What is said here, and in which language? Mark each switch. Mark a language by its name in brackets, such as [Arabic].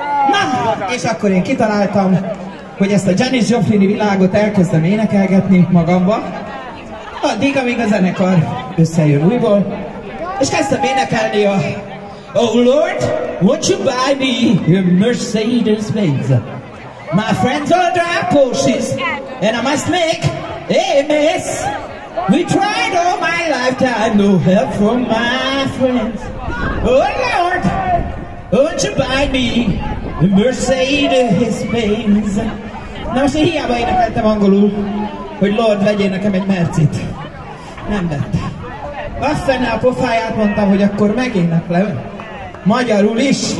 [Hungarian] Na, és akkor én kitaláltam, hogy ezt a Janis Joplin-i világot elkezdem énekelgetni magamba, addig, amíg a zenekar összejön újból, és kezdtem énekelni a [English] Oh Lord, won't you buy me a Mercedes-Benz? My friends all drive Porsches, and I must make a mess. We tried all my lifetime, no help from my friends. Oh Lord, won't you buy me a Mercedes-Benz? [Hungarian] Na most én hiába énekeltem angolul, hogy Lord, vegyél nekem egy Mercit. Nem vett. Waffennel a pofáját mondtam, hogy akkor megéneklem magyarul is.